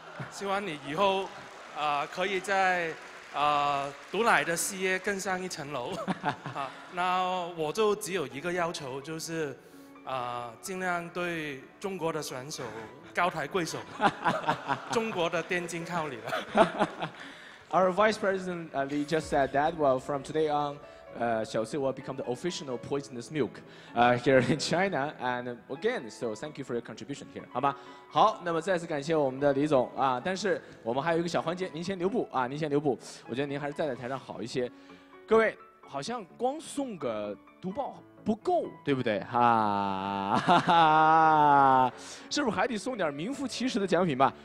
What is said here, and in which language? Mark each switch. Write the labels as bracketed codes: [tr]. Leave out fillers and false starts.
[zh] 希望你以后可以在毒奶的事业更上一层楼。那我就只有一个要求，就是尽量对中国的选手高抬贵手。中国的电竞靠你了。 [en] Our Vice President Lee just said that, well, from today on, Xiaosi will become the official poisonous milk here in China. And again, so thank you for your contribution here, [zh] 好吗？好，那么再次感谢我们的李总啊，但是我们还有一个小环节，您先留步啊，您先留步，我觉得您还是站在台上好一些。各位，好像光送个毒报不够，对不对？哈、啊、哈哈，是不是还得送点名副其实的奖品吧？